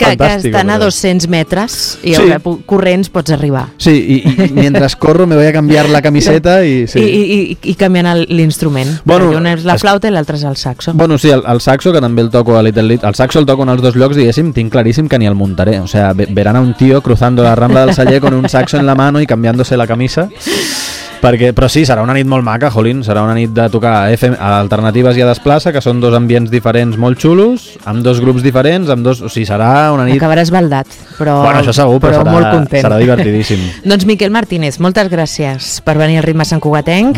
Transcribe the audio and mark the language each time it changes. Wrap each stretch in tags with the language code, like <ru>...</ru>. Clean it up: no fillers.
<ca>Menys mal que estan a 200 metres i corrents pots arribar. Sí, i mentre corro</ca> <es>me voy a canviar la camiseta</es> <ca>i... I canviant l'instrument. Bueno, un és la flauta i l'altre és el saxo. Bueno, sí, el saxo, que també el toco a Little Litos. El saxo el toco en els dos llocs, diguéssim, tinc claríssim que ni el muntaré.</ca> <es>O sea, verán a un tío cruzando la Rambla del Celler con un saxo en la mano y cambiándose la camisa...</es> <ca>Però sí, serà una nit molt maca, jolín. Serà una nit de tocar a Alternatives i a Desplaça, que són dos ambients diferents molt xulos, amb dos grups diferents, amb dos... O sigui, serà una nit... Acabaràs baldat, però... Bueno, això segur, però serà, molt content. Serà divertidíssim. Doncs Miquel Martínez, moltes gràcies per venir al Ritme Sant Cugatenc.</ca>